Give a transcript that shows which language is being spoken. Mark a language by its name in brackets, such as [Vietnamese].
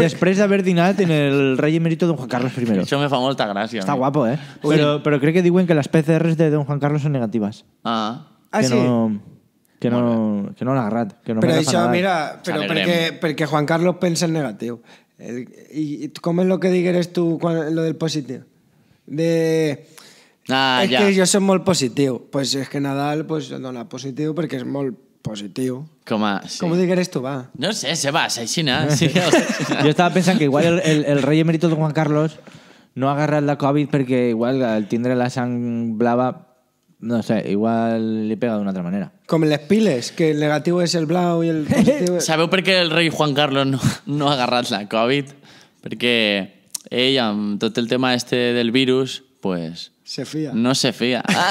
[Catalan] després d'haver dinat en el rei emèrito don Juan Carlos I. Això me fa molta gràcia. Està guapo, eh? Sí. Però crec que diuen que les PCRs de don Juan Carlos són negatives. Ah, que sí? Que no l'ha agarrat. Que no, però això, mira, però perquè Juan Carlos pensa en negatiu. [Spanish] ¿Y cómo es lo que digueres tú lo del positivo? De... Ah, es ya. Que yo soy muy positivo. Pues es que Nadal pues dona positivo porque es muy positivo. [Catalan] Com a, sí. [Spanish] ¿Cómo digueres tú, va? No sé, se va, se aixina. Sí, yo estaba pensando que igual el rey emérito de Juan Carlos no agarra la COVID porque igual [Catalan] al tindre la sangre blava, no sé, igual li pega d'una altra manera. Com les piles, que el negatiu és el blau i el positiu... Sabeu per què el rei Juan Carlos no ha agarrat la Covid? Perquè ell, amb tot el tema este del virus, pues... Se fia. No se fia.